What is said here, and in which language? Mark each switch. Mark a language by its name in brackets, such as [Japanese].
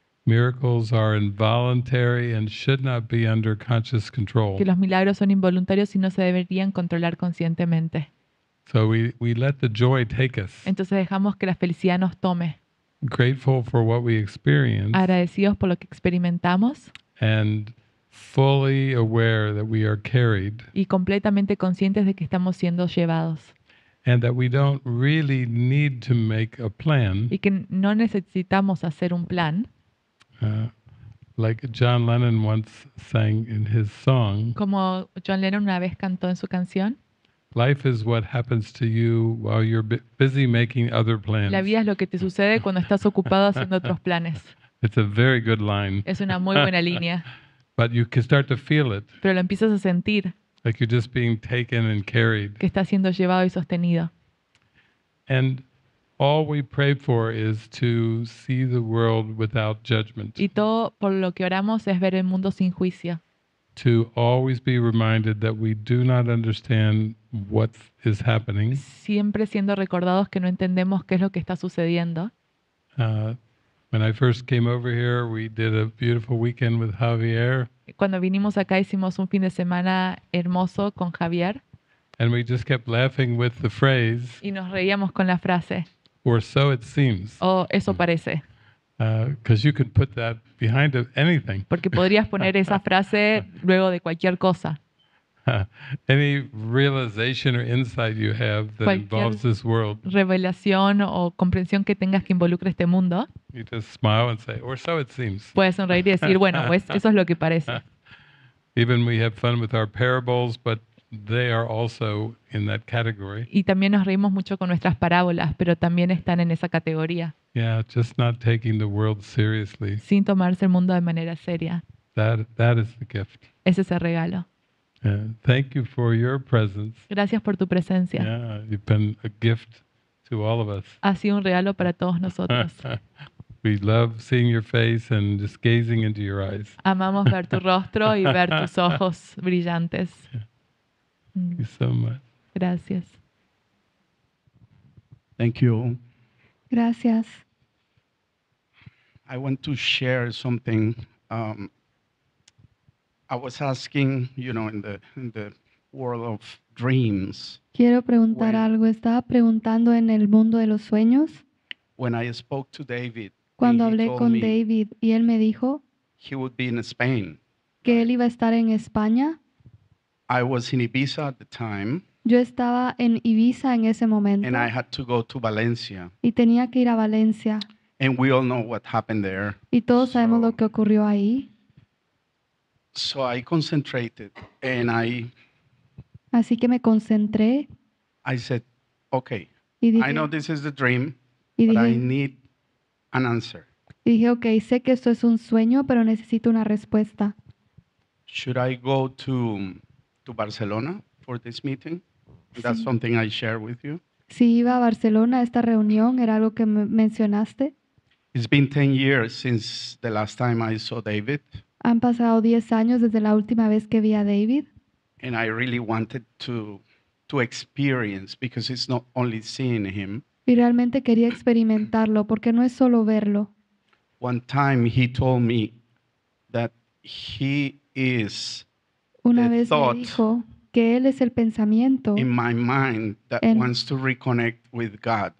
[English] Miracles are involuntary and should not be under conscious control. [Spanish] Que los milagros son involuntarios y no se deberían controlar conscientemente. [English] So we let the joy take us. [Spanish] Entonces dejamos que la felicidad nos tome. [English] Grateful for what we experience. [Spanish] Agradecidos por lo que experimentamos. [English] And fully aware that we are carried. [Spanish] Y completamente conscientes de que estamos siendo llevados. [English] And that we don't really need to make a plan. [Spanish] Y que no necesitamos hacer un plan. [English] Like John Lennon once sang in his song. [Spanish] Como John Lennon una vez cantó en su canción. [English] Life is what happens to you while you're busy making other plans. [Spanish] La vida es lo que te sucede cuando estás ocupado haciendo otros planes. [English] It's a very good line. [Spanish] Es una muy buena línea. [English] But you can start to feel it. [Spanish] Pero lo empiezas a sentir. [English] Like you're just being taken and carried. [Spanish] Que estás siendo llevado y sostenido. [English] And all we pray for is to see the world without judgment. [Spanish] Y todo por lo que oramos es ver el mundo sin juicio. [English] To always be reminded that we do not understand what is happening. [Spanish] Siempre siendo recordados que no entendemos qué es lo que está sucediendo. [English] When I first came over here, we did a beautiful weekend with Javier. [Spanish] Cuando vinimos acá hicimos un fin de semana hermoso con Javier. [English] And we just kept laughing with the phrase. [Spanish] Y nos reíamos con la frase. [English] Or so it seems. [Spanish] O eso parece. [English] Because you could put that behind anything. [Spanish] Porque podrías poner esa frase luego de cualquier cosa. [English] Any realization or insight you have that involves this world? [Spanish] Revelación o comprensión que tengas que involucre este mundo. [English] You just smile and say, or so it seems. [Spanish] Puedes sonreír y decir, bueno, pues eso es lo que parece. [English] Even we have fun with our parables, but they are also in that category. [Spanish] Y también nos reímos mucho con nuestras parábolas, pero también están en esa categoría. [English] Yeah, just not taking the world seriously. [Spanish] Sin tomarse el mundo de manera seria. [English] That is the gift. [Spanish] Ese es el regalo. [English] Yeah, thank you for your presence. [Spanish] Gracias por tu presencia. [English] Yeah, you've been a gift to all of us. [Spanish] Ha sido un regalo para todos nosotros. [English] We love seeing your face and just gazing into your eyes. [Spanish] Amamos ver tu rostro y ver tus ojos brillantes. [English] Thank you so much. [Spanish] Gracias. [English] Thank you. [Spanish] Gracias. [English] I want to share something. I was asking, you know, in the world of dreams. [Spanish] Quiero preguntar algo. Estaba preguntando en el mundo de los sueños. [English] When I spoke to David, [Spanish] cuando hablé con David y él me dijo, [English] he would be in Spain. [Spanish] Que él iba a estar en España. [English] I was in Ibiza at the time. [Spanish] Yo estaba en Ibiza en ese momento. [English] And I had to go to Valencia. [Spanish] Y tenía que ir a Valencia. [English] And we all know what happened there. [Spanish] Y todos sabemos lo que ocurrió ahí. [English] So I concentrated and I. [Spanish] Así que me concentré. [English] I said, okay. [Spanish] Y dije, [English] I know this is the dream, [Spanish] y dije, [English] but I need an answer. [Spanish] Y dije, okay, sé que esto es un sueño, pero necesito una respuesta. [English] Should I go to Barcelona for this meeting? That's [Spanish] sí. [English] Something I share with you. [Spanish] Si iba a Barcelona, esta reunión era algo que mencionaste. [English] It's been 10 years since the last time I saw David. [Spanish] Han pasado 10 años desde la última vez que vi a David. [English] And I really wanted to experience, because it's not only seeing him. [Spanish] Y realmente quería experimentarlo, porque no es solo verlo. [English] One time he told me that he is [Spanish] una vez [English] thought [Spanish] me dijo que él es el pensamiento [English] in my mind that en, wants to reconnect with God.